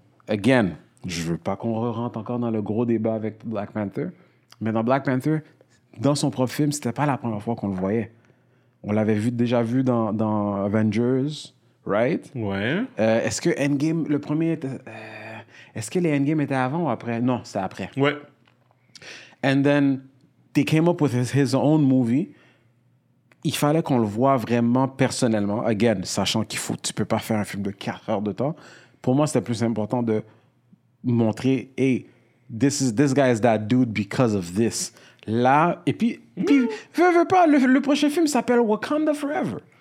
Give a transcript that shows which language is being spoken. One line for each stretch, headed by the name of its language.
French: Again, je ne veux pas qu'on rentre encore dans le gros débat avec Black Panther, mais dans Black Panther, dans son propre film, ce n'était pas la première fois qu'on le voyait. On l'avait déjà vu dans Avengers, right? Ouais. Est-ce que Endgame, le premier était... est-ce que les Endgame étaient avant ou après? Non, c'était après. Ouais.
English: And then they came up with his own movie.
French: Il fallait qu'on le voie vraiment personnellement. Again, sachant qu'il faut, tu peux pas faire un film de 4 heures de temps. Pour moi, c'était plus important de montrer,
English: hey, this guy is that dude because of this.
French: Là, et puis, veux pas, le prochain film s'appelle Wakanda Forever.